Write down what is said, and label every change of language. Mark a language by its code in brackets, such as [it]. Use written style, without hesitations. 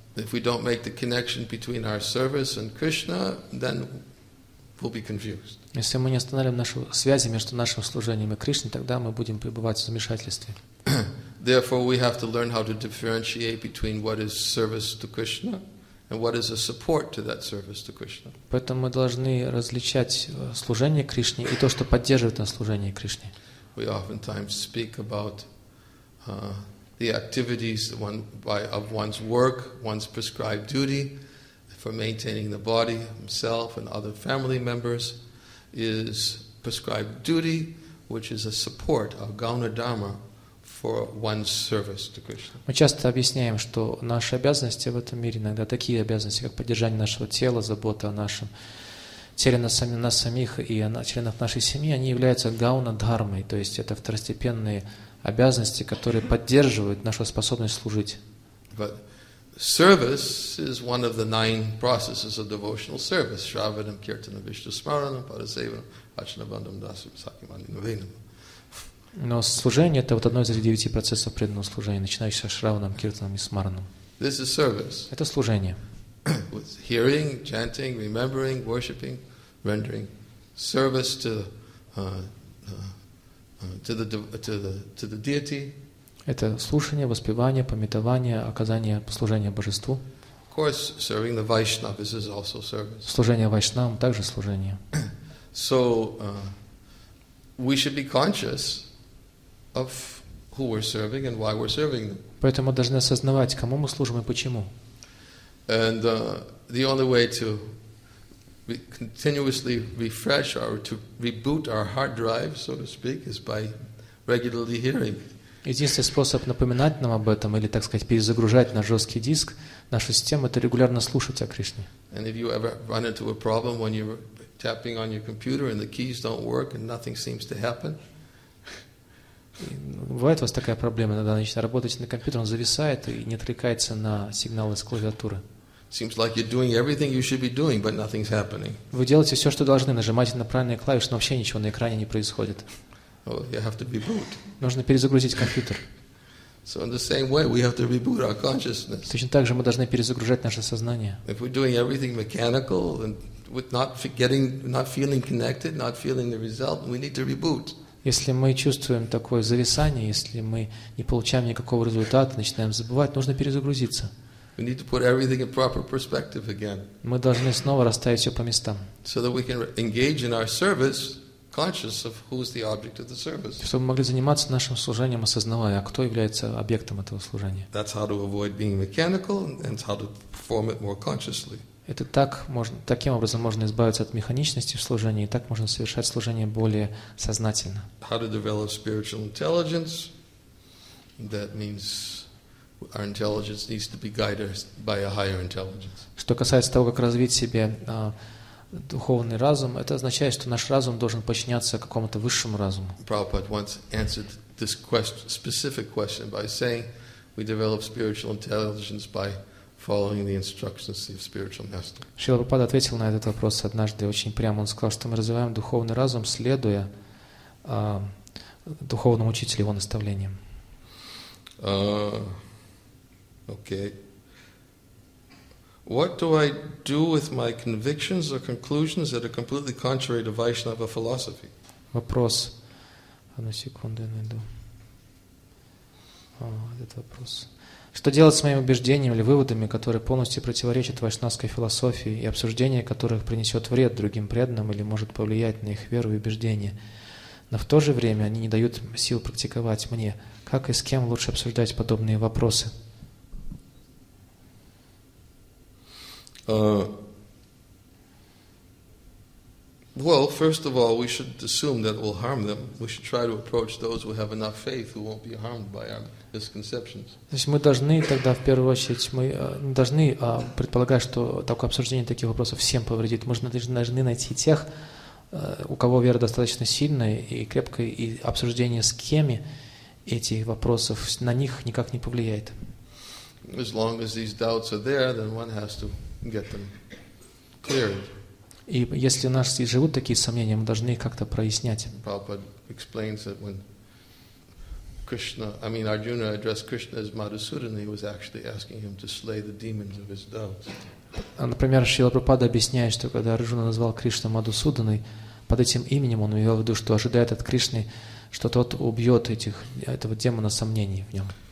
[en] If we don't make the connection between our service and Krishna, then we'll be confused. [ru] Если мы не останавливаем нашу связь между нашим служением и Кришной, тогда мы будем пребывать в замешательстве. [en] Therefore, we have to learn how to differentiate between what is service to Krishna And what is a support to that service to Krishna? [ru] Поэтому мы должны различать служение Кришне и то, что поддерживает нас служение Кришне. [en] We oftentimes speak about the activities of one's work, one's prescribed duty for maintaining the body, himself and other family members is prescribed duty, which is a support of Gauna Dharma for one's service to Krishna. [ru] Мы часто объясняем, что наши обязанности в этом мире иногда такие обязанности, как поддержание нашего тела, забота о нашем теле, нас самих и о членах нашей семьи, они являются Гауна Дхармой, то есть это второстепенные обязанности, которые поддерживают нашу способность служить. [en] But service is one of the nine processes of devotional service. [sa] Shravanam, Kirtanam, Vishnu Smaranam, Parasevanam, Achanabandam, Dasam, Sakimani, Navinam. [ru] Но служение — это вот одно из этих девяти процессов преданного служения, начинающееся с Шраванам, Киртанам и Смаранам. [en] This is service. [ru] Это служение. [en] With hearing, chanting, remembering, worshipping, rendering service to the deity. [ru] Это слушание, воспевание, памятование, оказание служения божеству. [en] Of course, serving the Vaishnavas is also service. [ru] Служение Вайшнавам также служение. [en] So we should be conscious of who we're serving and why we're serving them. [ru] Поэтому мы должны осознавать, кому мы служим и почему. [en] And the only way to continuously refresh or to reboot our hard drive, so to speak, is by regularly hearing. [ru] Единственный способ напоминать нам об этом или, так сказать, перезагружать наш жесткий диск, нашу систему, это регулярно слушать о Кришне. [en] And if you ever run into a problem when you're tapping on your computer and the keys don't work and nothing seems to happen. [ru] Бывает у вас такая проблема, иногда начинает работать на компьютере, он зависает и не отвлекается на сигналы с клавиатуры. [en] Seems like you're doing everything you should be doing, but nothing's happening. [ru] Вы делаете все, что должны, нажимаете на правильные клавиши, но вообще ничего на экране не происходит. [en] You have to reboot. [ru] Нужно перезагрузить компьютер. [en] So in the same way, we have to reboot our consciousness. [ru] Точно так же мы должны перезагружать наше сознание. [en] If we're doing everything mechanical and with not feeling connected, not feeling the result, we need to reboot. [ru] Если мы чувствуем такое зависание, если мы не получаем никакого результата, начинаем забывать, нужно перезагрузиться. [en] We need to put everything in proper perspective again. [ru] Мы должны снова расставить все по местам. [en] So that we can engage in our service, conscious of who is the object of the service. [ru] Чтобы мы могли заниматься нашим служением, осознавая, кто является объектом этого служения. [en] That's how to avoid being mechanical and how to perform it more consciously. [ru] Это так можно, таким образом можно избавиться от механичности в служении, и так можно совершать служение более сознательно. [en] How to develop spiritual intelligence? That means our intelligence needs to be guided by a higher intelligence. [ru] Что касается того, как развить себе духовный разум, это означает, что наш разум должен подчиняться какому-то высшему разуму. [en] Prabhupada once answered this specific question by saying, we develop spiritual intelligence by following the instructions of spiritual master. [ru] Шрила Прабхупада ответил на этот вопрос однажды очень прямо. Он сказал, что мы развиваем духовный разум, следуя духовному учителю, его наставлениям. [en] Okay. What do I do with my convictions or conclusions that are completely contrary to Vaishnava philosophy? [ru] Вопрос. Одну секунду, я найду. Этот вопрос. Что делать с моими убеждениями или выводами, которые полностью противоречат вайшнавской философии и обсуждение которых принесет вред другим преданным или может повлиять на их веру и убеждения? Но в то же время они не дают сил практиковать мне. Как и с кем лучше обсуждать подобные вопросы? [en] Well, first of all, we should assume that it will harm them. We should try to approach those who have enough faith who won't be harmed by our misconceptions. [ru] То есть мы должны тогда в первую очередь мы должны предполагать, что такое обсуждение таких вопросов всем повредит. Мы должны найти тех, у кого вера достаточно сильная и крепкая, и обсуждение с кеми этих вопросов на них никак не повлияет. [en] As long as these doubts are there, then one has to get them cleared. [ru] И если у нас и живут такие сомнения, мы должны их как-то прояснять. [en] Prabhupada explains that when Arjuna addressed Krishna as Madhusudana, he was actually asking him to slay the demons of his doubts. [ru] Например, Шрила Прабхупада объясняет, что когда Арджуна назвал Кришну Мадхусуданой, под этим именем он имел в виду, что ожидает от Кришны, что тот убьет этого демона сомнений в нем.